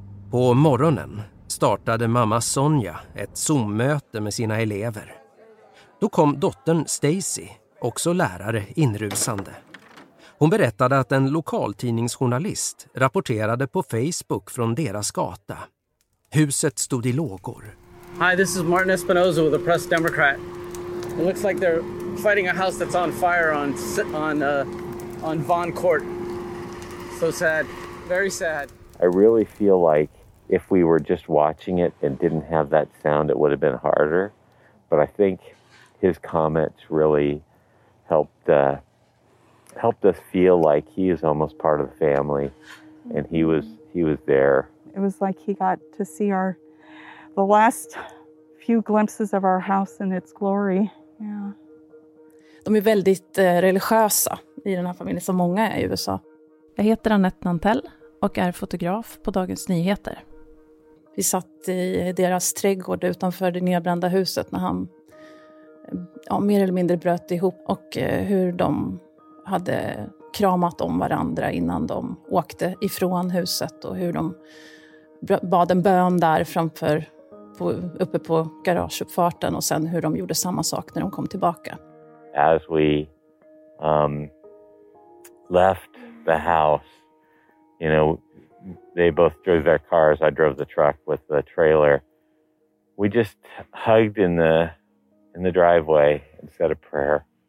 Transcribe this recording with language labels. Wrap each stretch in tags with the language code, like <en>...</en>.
<sv>På morgonen startade mamma Sonja ett Zoom-möte med sina elever. Då kom dottern Stacy, också lärare, inrusande. Hon berättade att en lokaltidningsjournalist rapporterade på Facebook från deras gata. Huset stod i lågor.</sv> <en>Hi, this is Martin Espinosa with the Press Democrat. It looks like they're fighting a house that's on fire on Vaughn Court. So sad, very sad. I really feel like if we were just watching it and didn't have that sound, it would have been harder. But I think his comments really helped us feel like he is almost part of the family, and he was there. It was like he got to see the last few glimpses of our house in its glory. Yeah.</en> <sv>De är väldigt religiösa i den här familjen, som många är i USA. Jag heter Annette Nantell och är fotograf på Dagens Nyheter. Vi satt i deras trädgård utanför det nedbrända huset när han mer eller mindre bröt ihop, och hur de hade kramat om varandra innan de åkte ifrån huset och hur de bad en bön där framför uppe på garageuppfarten, och sen hur de gjorde samma sak när de kom tillbaka.</sv> <en>As we left the house, you know, they both drove their cars, I drove the truck with the trailer. We just hugged in the driveway and said a prayer.</en>